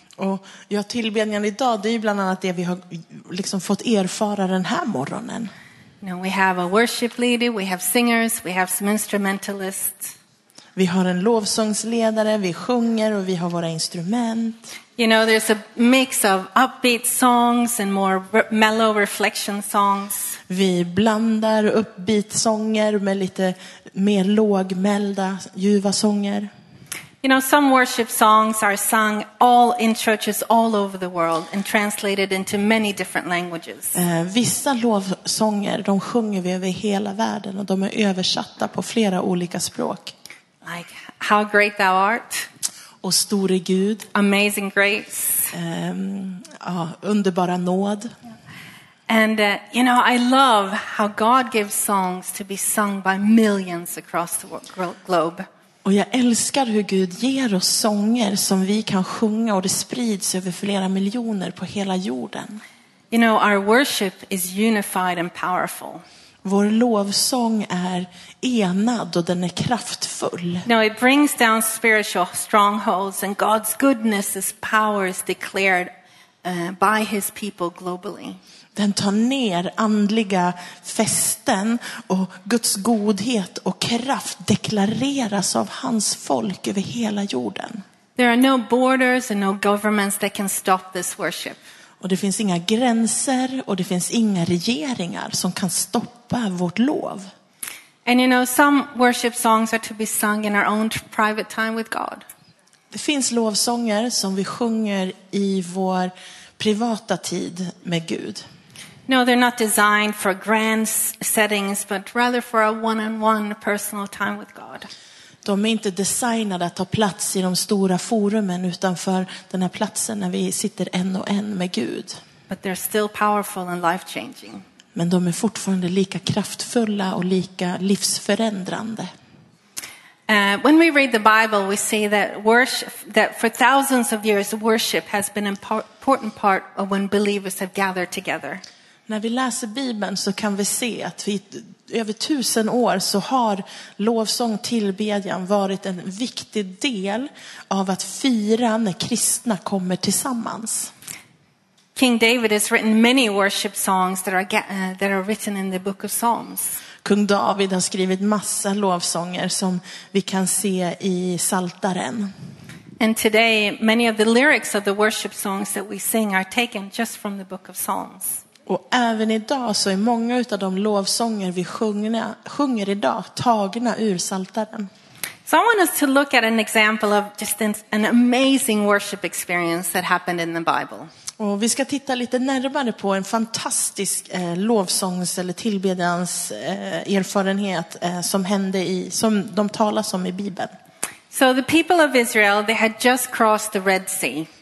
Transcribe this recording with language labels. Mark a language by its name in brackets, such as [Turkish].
[Swedish] Och ja, tillbedjan idag, det är ju bland annat det vi har liksom fått erfara den här morgonen. [English] Now we have a worship leader, we have singers, we have some instrumentalists. [Swedish] Vi har en lovsångsledare, vi sjunger och vi har våra instrument. [English] You know, there's a mix of upbeat songs and more mellow reflection songs. [Swedish] Vi blandar upbeat sånger med lite mer lågmälda, ljuva sånger. [English] You know, some worship songs are sung all in churches all over the world and translated into many different languages. [Swedish] Vissa lovsånger, de sjunger vi över hela världen och de är översatta på flera olika språk. [English] Like how great thou art. [Swedish] Och store Gud. [English] Amazing grace. [Swedish] Underbara nåd. [English] And you know, I love how God gives songs to be sung by millions across the globe. [Swedish] Och jag älskar hur Gud ger oss sånger som vi kan sjunga och det sprids över flera miljoner på hela jorden. [English] You know, our worship is unified and powerful. [Swedish] Vår lovsång är enad och den är kraftfull. [English] No, it brings down spiritual strongholds and God's goodness is powers declared by his people globally. [Swedish] Den tar ner andliga fästen och Guds godhet och kraft deklareras av hans folk över hela jorden. [English] There are no borders and no governments that can stop this worship. [Swedish] Och det finns inga gränser och det finns inga regeringar som kan stoppa vårt lov. [English] And you know, some worship songs are to be sung in our own private time with God. [Swedish] Det finns lovsånger som vi sjunger i vår privata tid med Gud. [English] No, they're not designed for grand settings, but rather for a one-on-one personal time with God. [Swedish] De är inte designade att ta plats i de stora forumen utanför den här platsen när vi sitter en och en med Gud. [English] But they're still powerful and life-changing. [Swedish] Men de är fortfarande lika kraftfulla och lika livsförändrande. [English] When we read the Bible, we see that worship, that for thousands of years worship has been an important part of when believers have gathered together. [Swedish] När vi läser Bibeln så kan vi se att vi över 1000 år så har lovsång tillbedjan varit en viktig del av att fira när kristna kommer tillsammans. [English] King David has written many worship songs that are written in the book of Psalms. [Swedish] Kung David har skrivit massa lovsånger som vi kan se i Saltaren. [English] And today many of the lyrics of the worship songs that we sing are taken just from the book of Psalms. [Swedish] Och även idag så är många utav de lovsånger vi sjunger idag tagna ur Saltaren. [English] So I want us to look at an example of just an amazing worship experience that happened in the Bible. [Swedish] Och vi ska titta lite närmare på en fantastisk lovsångs- eller tillbedjans erfarenhet som de talas om i Bibeln. [English] So the people of Israel, they had just crossed the Red Sea.